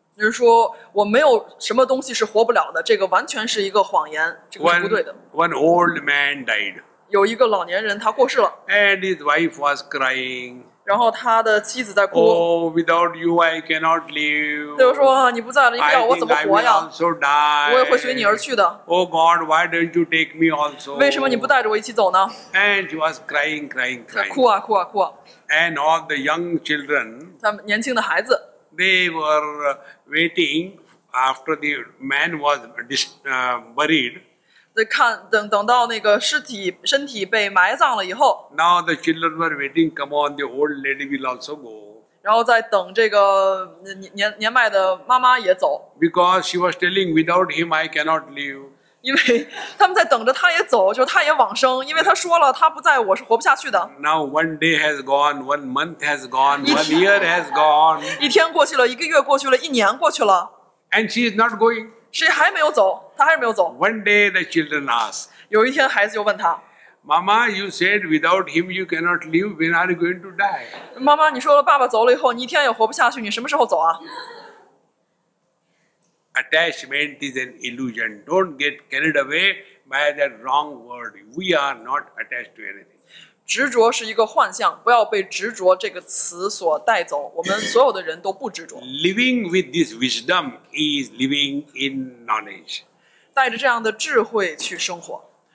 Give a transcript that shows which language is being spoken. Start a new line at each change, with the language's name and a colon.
Chinese: 就是说我没有什么东西是活不了的，这个完全是一个谎言，这个是不对的。
English: One old man died.
Chinese: 有一个老年人他过世了。
English: And his wife was crying.
Chinese: 然后他的妻子在哭。
English: Oh, without you I cannot live.
Chinese: 就是说你不在了，你不要我怎么活呀？
English: I think I will also die.
Chinese: 我也会随你而去的。
English: Oh God, why don't you take me also?
Chinese: 为什么你不带着我一起走呢？
English: And he was crying, crying, crying.
Chinese: 哭啊哭啊哭啊。
English: And all the young children,
Chinese: 他们年轻的孩子，
English: they were waiting after the man was buried.
Chinese: 等到那个身体被埋葬了以后，
English: now the children were waiting, come on, the old lady will also go.
Chinese: 然后在等这个 年迈的妈妈也走，
English: because she was telling, without him I cannot live.
Chinese: 因为他们在等着他也走，就是他也往生，因为他说了他不在我是活不下去的。
English: Now one day has gone, one month has gone, one year has gone.
Chinese: 一天过去了，一个月过去了，一年过去了。
English: And she is not going.
Chinese: 谁还没有走？他还是没有走。
English: One day the children ask.
Chinese: 有一天孩子又问他，
English: Mama, you said without him you cannot live. When are you going to die?
Chinese: 妈妈，你说了爸爸走了以后，你一天也活不下去，你什么时候走啊？
English: Attachment is an illusion. Don't get carried away by the wrong word. We are not attached to anything.
Chinese: 执着是一个幻象，不要被执着这个词所带走。我们所有的人都不执着。
English: Living with this wisdom is living in knowledge.
Chinese: 带着这样的智慧去生活。